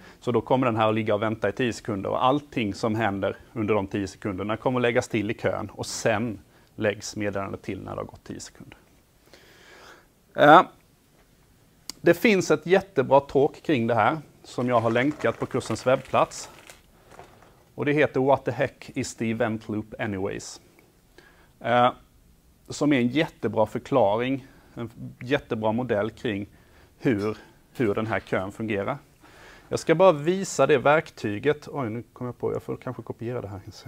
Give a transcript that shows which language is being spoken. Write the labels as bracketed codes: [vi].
[sv] Så då kommer den här att ligga och vänta i 10 sekunder. Och allting som händer under de 10 sekunderna kommer att läggas till i kön. Och sen läggs meddelandet till när det har gått 10 sekunder. Det finns ett jättebra talk kring det här. Som jag har länkat på kursens webbplats. Och det heter [en] What the heck is the event loop anyways? [sv] Som är en jättebra förklaring. En jättebra modell kring hur den här kön fungerar. Jag ska bara visa det verktyget. Oj, nu kommer jag på. Jag får kanske kopiera det här.